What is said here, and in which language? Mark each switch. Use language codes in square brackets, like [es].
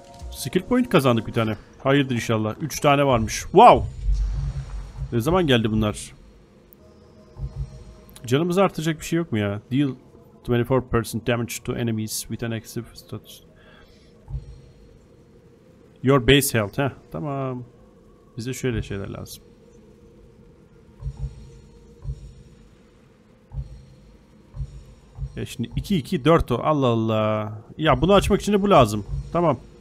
[tr] Skill point kazandık bir tane. Hayırdır inşallah. 3 tane varmış. Wow! Ne zaman geldi bunlar? Canımızı artacak bir şey yok mu ya? [en] Deal 24% damage to enemies with an active status. Your base health. Heh, tamam. [tr] Bize şöyle şeyler lazım. Ya şimdi 2-2-4 o. Allah Allah. Ya bunu açmak için de bu lazım. Tamam.